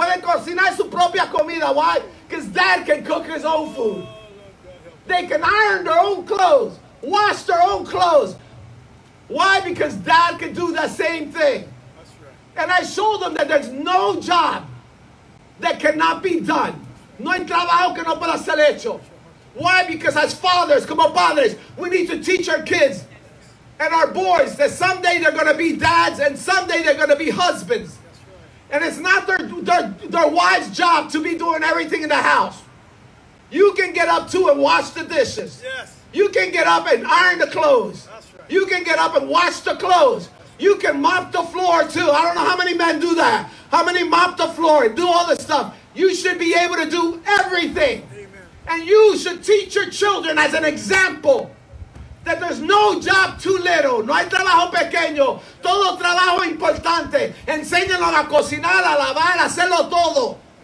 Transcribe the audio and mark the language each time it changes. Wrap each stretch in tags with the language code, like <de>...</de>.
<es>Pueden cocinar su propia comida.</es> <en>Why? Because dad can cook his own food. They can iron their own clothes. Wash their own clothes. Why? Because dad can do that same thing. That's right. And I show them that there's no job that cannot be done.</en> <es>No hay trabajo que no pueda ser hecho.</es> <en>Why? Because as fathers,</en> <es>como padres,</es> <en>we need to teach our kids and our boys that someday they're going to be dads and someday they're going to be husbands. And it's not their wife's job to be doing everything in the house. You can get up too and wash the dishes. Yes. You can get up and iron the clothes. That's right. You can get up and wash the clothes. You can mop the floor too. I don't know how many men do that. How many mop the floor and do all this stuff. You should be able to do everything. Amen. And you should teach your children as an example that there's no job too little.</en> <es>No hay trabajo pequeño. Todo trabajo importante. Enséñalo a cocinar, a lavar, a hacerlo todo.</es>